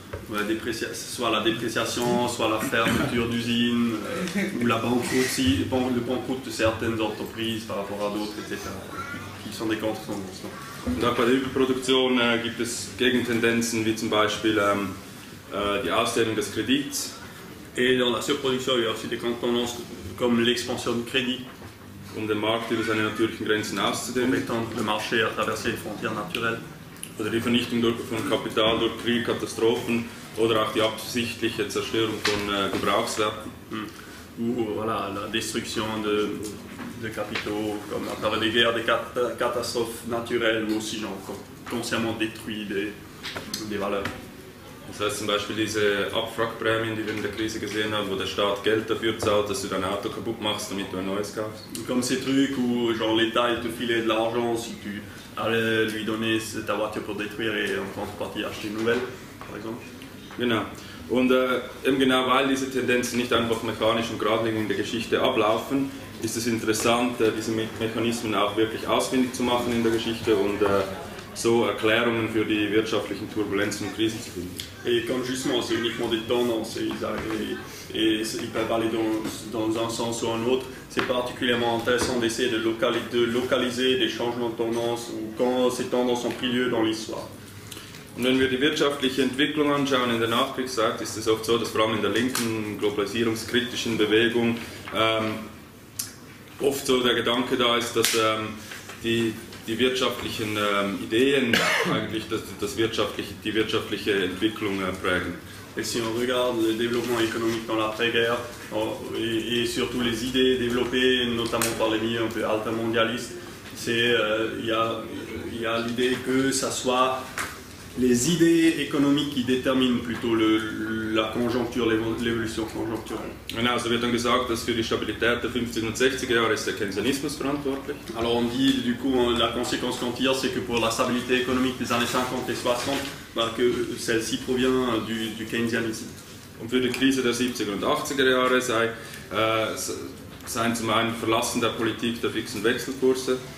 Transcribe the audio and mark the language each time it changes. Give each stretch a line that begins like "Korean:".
French: Ouais, soit la dépréciation, soit la fermeture d'usine, ou la banqueroute de certaines entreprises par rapport à d'autres, etc. qui sont des contre-tendances.
German: Und auch bei der Überproduktion gibt es Gegentendenzen, wie zum Beispiel die Ausdehnung des Kredits.
French: Et dans la surproduction, il y a aussi des contre-tendances comme l'expansion du crédit.
German: Um den Markt über seine natürlichen Grenzen auszudehnen.
French: Um étant le marché à traverser les frontières naturelles.
German: Oder die Vernichtung von Kapital durch Krieg, Katastrophen oder auch die absichtliche Zerstörung von Gebrauchswerten.
French: Voilà, la destruction de capitaux, comme à travers des guerres, des catastrophes naturelles, ou aussi genre consciemment détruit des valeurs.
German: Das heißt zum Beispiel diese Abwrackprämien, die wir in der Krise gesehen haben, wo der Staat Geld dafür zahlt, dass du dein Auto kaputt machst, damit du ein neues kaufst.
French: Comme ces trucs où genre l'État il te filait de l'argent si tu allais lui donner ta voiture pour détruire et en contrepartie acheter une nouvelle, par exemple.
German: Genau. Und eben genau weil diese Tendenzen nicht einfach mechanisch und geradlinig in der Geschichte ablaufen, ist es interessant, diese Mechanismen auch wirklich ausfindig zu machen in der Geschichte und so Erklärungen für die wirtschaftlichen Turbulenzen und Krisen zu finden.
French: Et comme justement, c'est uniquement des tendances, ils peuvent aller dans un sens ou un autre, c'est particulièrement intéressant d'essayer de localiser des changements de tendance ou quand ces tendances ont pris lieu dans l'histoire.
German: Und wenn wir die wirtschaftliche Entwicklung anschauen in der Nachkriegszeit, ist es oft so, dass vor allem in der linken globalisierungskritischen Bewegung oft so der Gedanke da ist, dass die wirtschaftlichen Ideen eigentlich die wirtschaftliche Entwicklung prägen.
French: Et si on regarde le développement économique dans l'après-guerre et surtout les idées développées notamment par les milieux un peu altermondialistes, c'est il y a l'idée que ça soit les idées économiques qui déterminent plutôt la conjoncture, l'évolution conjoncturelle.
German: Genau, so wird dann gesagt, dass für die Stabilität der 50er und 60er Jahre ist der Keynesianismus verantwortlich.
French: Alors on dit, du coup, la conséquence qu'on tire, c'est que pour la stabilité économique des années 50 et 60, bah, que celle-ci provient du Keynesianisme.
German: Und für die Krise der 70er und 80er Jahre seien zum einen Verlassen der Politik der fixen Wechselkurse.